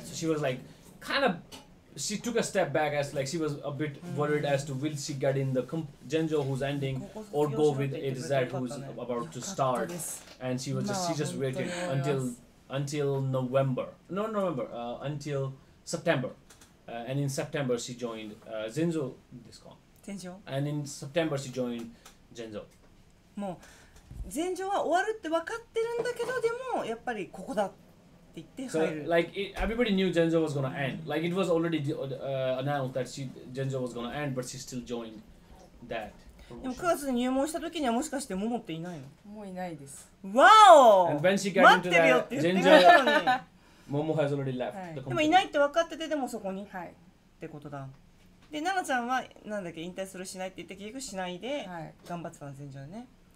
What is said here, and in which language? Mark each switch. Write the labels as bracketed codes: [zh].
[en] So she was like, kind of, she took a step back as like, she was a bit worried as to will she get in the Genjo who's ending or go with A to Z who's about to start. And she was just, she just waited until November. No, November, until September. And in September, she joined Genjo, this con. Genjo. And in September, she joined Genjo. [ja] もう前場は終わるって分かってるんだけど、でもやっぱりここだって言って入る。 [en] So, like it, everybody knew Genjo was gonna end. Like it was already announced that Genjo was gonna end, but she still joined that. [ja] でも9月に入門した時にはもしかしてモモっていないの？もういないです。わお！待ってるよって言ってるのに。モモ [en] has already left、 [ja] はい、でもいないって分かってて、でもそこに、はい、ってことだ。で、奈々ちゃんはなんだっけ、引退するしないって言って結局しないで頑張ってたの、前場ね。